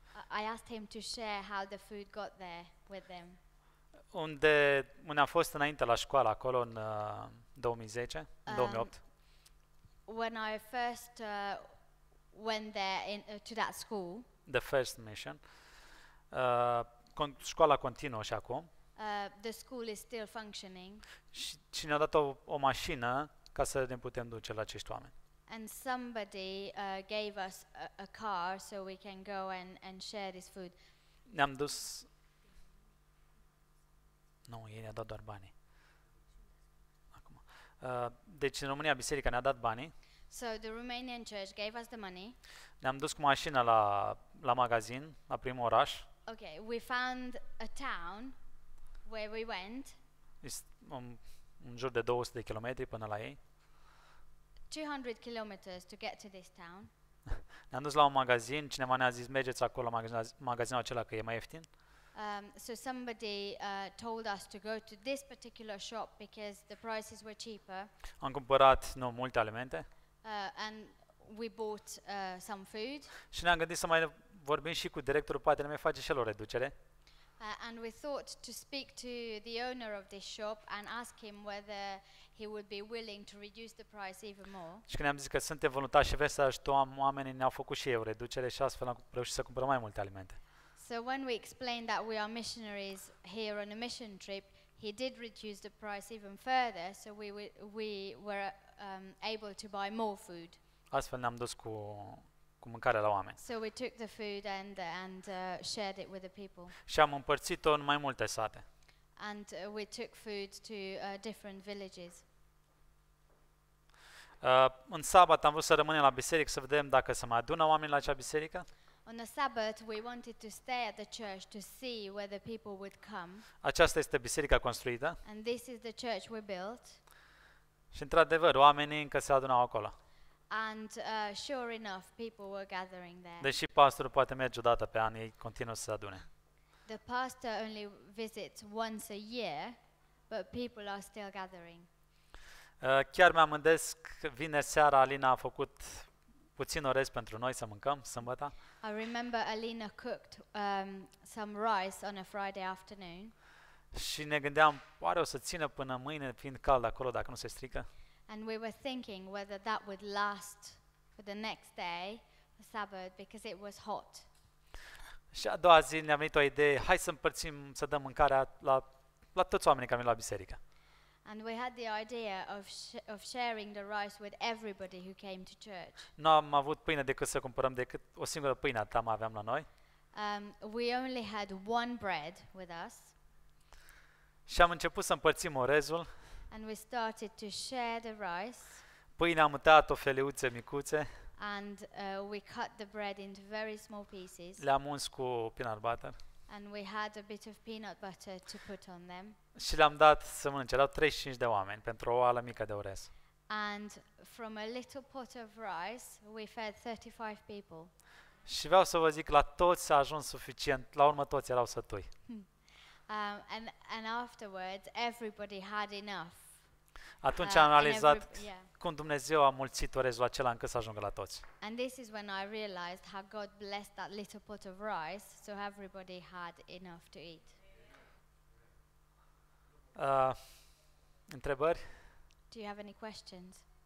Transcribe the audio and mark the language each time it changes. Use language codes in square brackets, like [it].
[en] I asked him to share how the food got there with them. [ro] Unde am fost înainte la școală acolo în 2010, 2008. [en] When I first went there in to that school. The first mission. [ro] Școala continuă și acum. [en] The school is still functioning. [ro] Și ne-a dat o mașină ca să ne putem duce la acești oameni. [en] And somebody gave us a car so we can go and share this food. [ro] Ne-am dus. Nu, ei ne-a dat doar bani. Acum. Deci în România biserica ne-a dat bani. [en] So the Romanian church gave us the money. [ro] Ne-am dus cu mașina la magazin, la primul oraș. [en] Okay, we found a town where we went. [ro] În jur de 200 de kilometri până la ei. [en] 200 kilometers to get to this town. [ro] Ne-am dus la un magazin, cineva ne-a zis mergeți acolo la magazinul acela că e mai ieftin. [en] So somebody told us to go to this particular shop because the prices were cheaper. [ro] Am cumpărat multe alimente. [en] And we bought some food. [ro] Și ne-am gândit să mai vorbim și cu directorul, poate ne mai face și el o reducere. [en] And we thought to speak to the owner of this shop and ask him whether he would be willing to reduce the price even more. [ro] Și când am zis că suntem voluntari și vrem să ajutăm oamenii, ne-au făcut și ei o reducere și astfel am reușit să cumpărăm mai multe alimente. [en] So when we explained that we are missionaries here on a mission trip, he did reduce the price even further, so we were able to buy more food. [ro] Astfel ne-am dus cu mâncare la oameni. [en] So we took the food and shared it with the people. [ro] Și am împărțit-o în mai multe sate. [en] And we took food to different villages. [ro] În sabat am vrut să rămânem la biserică să vedem dacă se mai adună oameni la acea biserică. [en] On the Sabbath we wanted to stay at the church to see whether people would come. [ro] Aceasta este biserica construită. [en] And this is the church we built. [ro] Și într-adevăr, oamenii încă se adunau acolo. [en] And sure enough people were gathering there. [ro] Deși pastorul poate merge o dată pe an, ei continuă să se adune. [en] The pastor only visits once a year, but people are still gathering. [ro] Chiar mă amândesc, vineri seara Alina a făcut puțin orez pentru noi să mâncăm sâmbătă. [en] I remember Alina cooked some rice on a Friday afternoon. [ro] Și ne gândeam, oare o să țină până mâine fiind cald acolo dacă nu se strică? [en] And we were thinking whether that would last for the next day, the Sabbath, because it was hot. [ro] Și a doua zi ne-a venit o idee, hai să împărțim, să dăm mâncarea la toți oamenii care vin la biserică. [en] And we had the idea of sharing the rice with everybody who came to church. [ro] Nu am avut pâine decât să cumpărăm decât o singură pâine atât aveam la noi. [en] We only had one bread with us. [ro] Și am început să împărțim orezul. [en] And we started to share the rice. [ro] Pâinea am tăiat-o feliuțe micuțe. [en] And we cut the bread into very small pieces. [ro] Le-am uns cu peanut butter. [en] And we had a bit of peanut butter to put on them. [ro] Și le-am dat să mănânce, erau 35 de oameni pentru o oală mică de orez. [en] And from a little pot of rice, we fed 35 people. [ro] Și vreau să vă zic, la toți s-a ajuns suficient, la urmă toți erau sătui. [en] And afterwards everybody had enough. [ro] Atunci am realizat cum Dumnezeu a mulțit orezul acela încât să ajungă la toți. [en] And this is when I realized how God blessed that little pot of rice so everybody had enough to eat. [ro] Întrebări? [en] Do you have any questions?